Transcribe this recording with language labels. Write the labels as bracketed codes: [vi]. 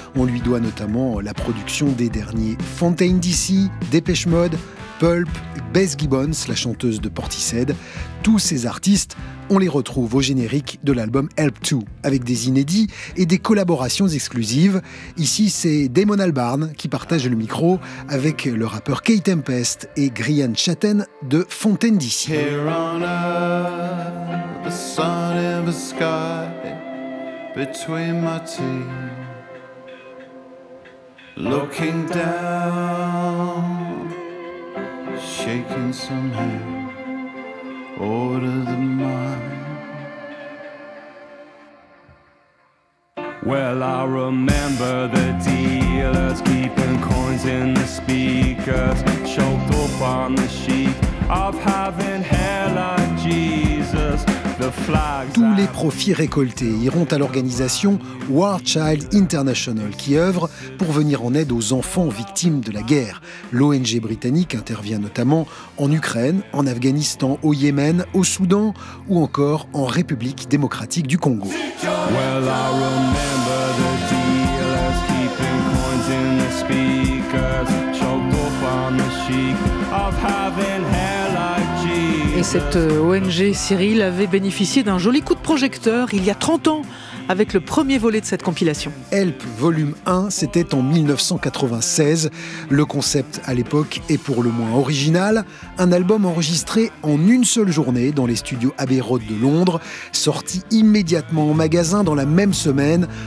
[fr] On lui doit notamment la production des derniers Fontaine D.C., Depeche Mode, Pulp, Bess Gibbons, la chanteuse de Portishead. Tous ces artistes, on les retrouve au générique de l'album Help To, avec des inédits et des collaborations exclusives. Ici, c'est Damon Albarn qui partage le micro avec le rappeur Kay Tempest et Grian Chatten de Fontaine D.C. [en] Here on earth, the sun in the sky, between my teeth, looking down, shaking some hair. Order the mind. Well, I remember the dealers keeping coins in the speakers, choked up on the sheet of having hair like Jesus. [fr] Tous les profits récoltés iront à l'organisation War Child International qui œuvre pour venir en aide aux enfants victimes de la guerre. L'ONG britannique intervient notamment en Ukraine, en Afghanistan, au Yémen, au Soudan ou encore en République démocratique du Congo. [en] Well, I remember the dealers keeping coins in the speakers, choked up on the chic of having hair. [fr] Et cette ONG, Cyril, avait bénéficié d'un joli coup de projecteur il y a 30 ans avec le premier volet de cette compilation. Help, volume 1, c'était en 1996. Le concept à l'époque est pour le moins original. Un album enregistré en une seule journée dans les studios Abbey Road de Londres, sorti immédiatement en magasin dans la même semaine.